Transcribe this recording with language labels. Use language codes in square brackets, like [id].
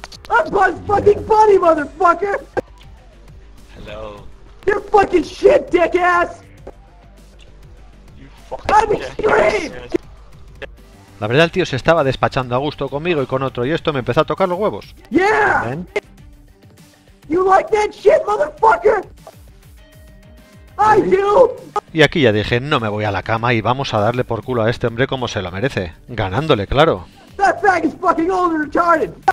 [en] I'm Buzz fucking Bunny, motherfucker! Hello. You're fucking shit, dickass! You fucking I'm extreme! [es] La verdad, el tío se estaba despachando a gusto conmigo y con otro, y esto me empezó a tocar los huevos. [en] Yeah! [es] ¿Ven? [en] You like that shit, motherfucker? I do! [es] Y aquí ya dije, no me voy a la cama y vamos a darle por culo a este hombre como se lo merece. Ganándole, claro. [en] That fag is fucking old and retarded!